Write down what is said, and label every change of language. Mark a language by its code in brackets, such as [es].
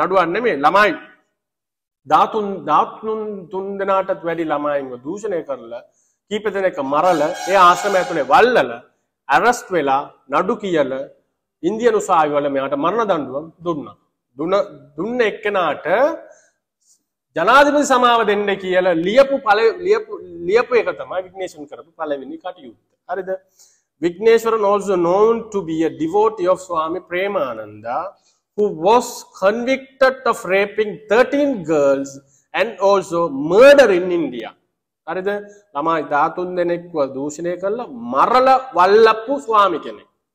[si] නඩුවක් නෙමෙයි ළමයි 13 තුන් දෙනාට වැඩි ළමයින්ව දූෂණය කරලා කීප දෙනෙක් මරලා ඒ ආශ්‍රමය ඇතුලේ වල්ලලා ඇරස්ට් වෙලා නඩු කියලා ඉන්දියානු සාවිවල මෙයාට මරණ දඬුවම් දුන්නා. දුන්න එක්කෙනාට ජනාධිපති සමාව දෙන්න කියලා ලියපු ලියපු එක තමයි විග්නේෂන් කරපු පළවෙනි කටයුත්ත. හරිද? [en] Vigneshwaran also known to be a devotee of Swami Premananda, who was convicted of raping 13 girls and also murder in India. [si] හරිද? ළමයි 13 දෙනෙක්ව දූෂණය කළා මරල වල්ලපු ස්වාමි කෙනෙක්.